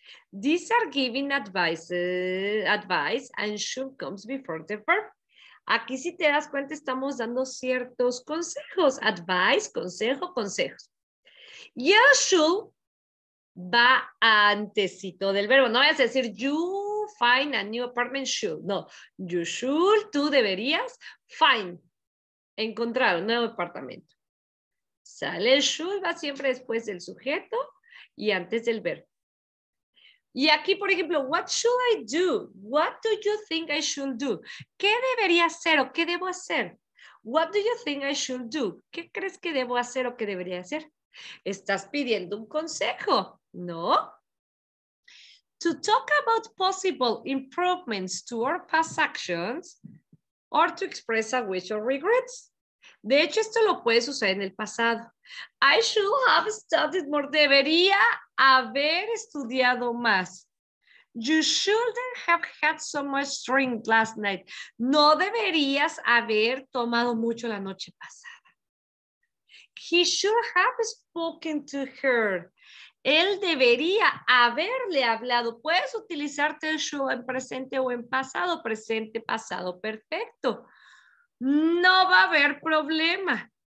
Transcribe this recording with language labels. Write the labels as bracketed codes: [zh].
[en] These are giving advice and should comes before the verb. [es] Aquí si te das cuenta estamos dando ciertos consejos. Advice, consejo, consejos. Y el should va antesito del verbo. No vayas a decir [en] you find a new apartment should. [es] No, [en] you should, [es] tú deberías find, encontrar un nuevo apartamento. Sale el should, va siempre después del sujeto y antes del verbo. Y aquí, por ejemplo, [en] what should I do? What do you think I should do? [es] ¿Qué debería hacer o qué debo hacer? [en] What do you think I should do? [es] ¿Qué crees que debo hacer o qué debería hacer? Estás pidiendo un consejo, ¿no? [en] To talk about possible improvements to our past actions or to express a wish or regrets. [es] De hecho, esto lo puede suceder en el pasado. [en] I should have studied more. [es] Debería haber estudiado más. [en] You shouldn't have had so much drink last night. [es] No deberías haber tomado mucho la noche pasada. [en] He should have spoken to her. [es] Él debería haberle hablado. Puedes utilizarte el should en presente o en pasado. Presente, pasado, perfecto. No va a haber problema.